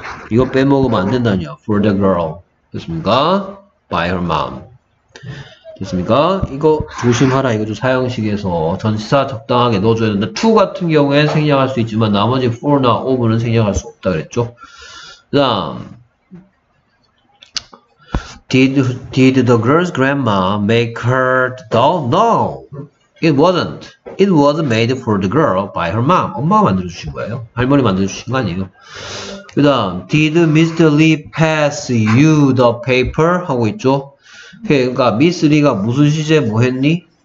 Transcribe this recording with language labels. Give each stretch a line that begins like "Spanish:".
Korean: 이거 빼먹으면 안 된다니요.
English: For the girl.
Korean: 됐습니까?
English: By her mom. 됐습니까?
Korean: 이거 조심하라. 이거 좀 사용식에서 전치사 적당하게 넣어줘야 된다. to 같은 경우에 생략할 수 있지만 나머지 for나 of는 생략할 수 없다 그랬죠. 그 다음
English: did the girl's grandma make her the doll? No. It wasn't. It was made for the girl by her mom.
Korean: 엄마가 만들어주신 거예요. 할머니 만들어주신 거 아니에요. 그 다음
English: did Mr. Lee pass you the paper? 하고 있죠.
Korean: 그러니까 미스 리가 무슨 시제 뭐 했니?